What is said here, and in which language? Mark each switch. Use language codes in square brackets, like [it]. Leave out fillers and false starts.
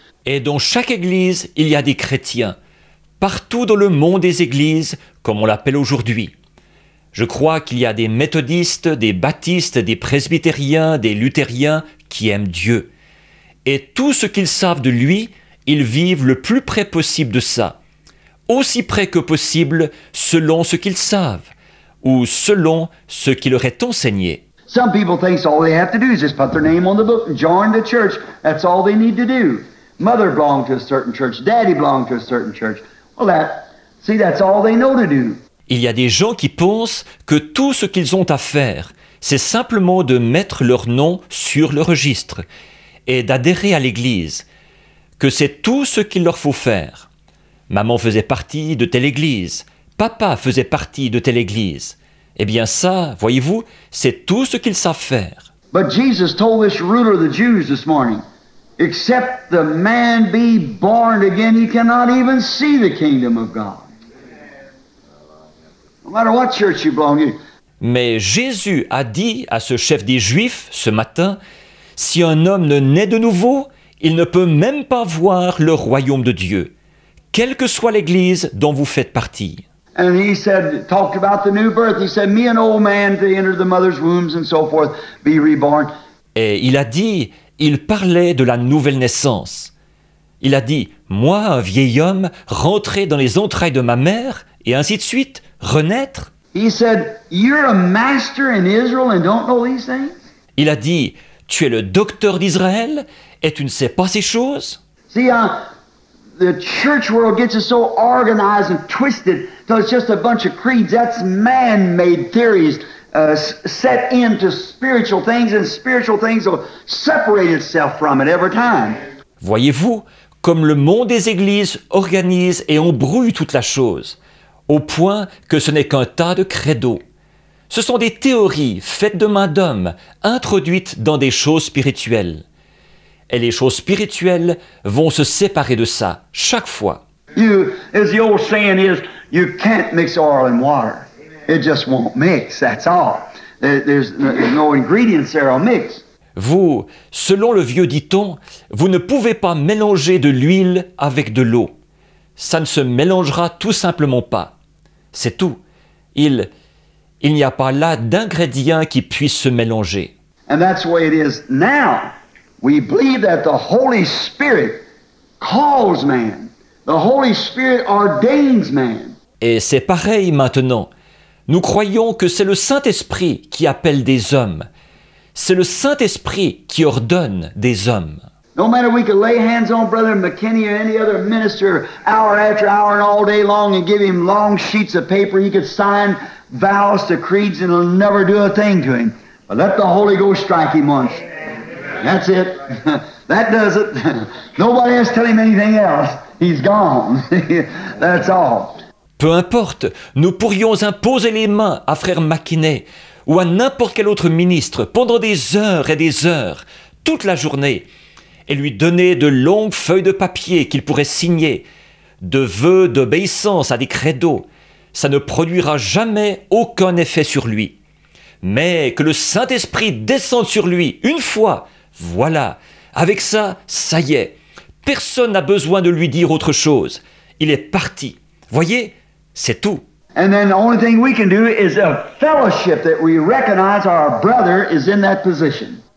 [fr] Et dans chaque église, il y a des chrétiens. Partout dans le monde des églises, comme on l'appelle aujourd'hui. Je crois qu'il y a des méthodistes, des baptistes, des presbytériens, des luthériens qui aiment Dieu. Et tout ce qu'ils savent de lui, ils vivent le plus près possible de ça. Aussi près que possible, selon ce qu'ils savent. Ou selon ce qui leur est enseigné. [en] Some people think all they have to do is just put their name on the book and join the church. That's all they need to do. Mother belonged to a certain church. Daddy belonged to a certain church. Well, that's all they know to do. [fr] Il y a des gens qui pensent que tout ce qu'ils ont à faire, c'est simplement de mettre leur nom sur le registre et d'adhérer à l'église. Que c'est tout ce qu'il leur faut faire. Maman faisait partie de telle église. Papa faisait partie de telle église. Eh bien ça, voyez-vous, c'est tout ce qu'ils savent faire. [en] But Jesus told this ruler of the Jews this morning, except the man be born again, he cannot even see the kingdom of God. No matter what church you belong to. [fr] Mais Jésus a dit à ce chef des Juifs ce matin, si un homme ne naît de nouveau, il ne peut même pas voir le royaume de Dieu, quelle que soit l'église dont vous faites partie. [en] And he said, talked about the new birth. He said, me an old man to enter the mother's wombs and so forth, be reborn. [fr] Et il a dit, il parlait de la nouvelle naissance. Il a dit, moi, un vieil homme, rentrer dans les entrailles de ma mère, et ainsi de suite, renaître. [en] He said, you're a master in Israel and don't know these things? [fr] Il a dit, tu es le docteur d'Israël et tu ne sais pas ces choses? [en] See, the church world gets it so organized and twisted so it's just a bunch of creeds. That's man-made theories set into spiritual things, and spiritual things will separate itself from it every time. [fr] Voyez-vous, comme le monde des églises organise et embrouille toute la chose, au point que ce n'est qu'un tas de credos. Ce sont des théories faites de main d'homme, introduites dans des choses spirituelles. Et les choses spirituelles vont se séparer de ça chaque fois. [en] You, as the old saying is, you can't mix oil and water. It just won't mix, that's all. There's no ingredients there on mix. [fr] Vous, selon le vieux dicton, vous ne pouvez pas mélanger de l'huile avec de l'eau. Ça ne se mélangera tout simplement pas. C'est tout. Il n'y a pas là d'ingrédients qui puissent se mélanger. [en] And that's the way it is now. We believe that the Holy Spirit calls man. The Holy Spirit ordains man. [fr] Et c'est pareil maintenant. Nous croyons que c'est le Saint-Esprit qui appelle des hommes. C'est le Saint-Esprit qui ordonne des hommes. [en] No matter we could lay hands on Brother McKinney or any other minister hour after hour and all day long and give him long sheets of paper, he could sign vows to creeds and it'll never do a thing to him. But let the Holy Ghost strike him once. That's it. That does it. Nobody has to tell him anything else. He's gone. That's all. [fr] Peu importe, nous pourrions imposer les mains à Frère McKinney ou à n'importe quel autre ministre pendant des heures et des heures, toute la journée, et lui donner de longues feuilles de papier qu'il pourrait signer, de vœux d'obéissance à des credos. Ça ne produira jamais aucun effet sur lui. Mais que le Saint-Esprit descende sur lui une fois, voilà, avec ça, ça y est. Personne n'a besoin de lui dire autre chose. Il est parti. Voyez, c'est tout. [en] And then the only thing we can do is a fellowship that we recognize our brother is in that position.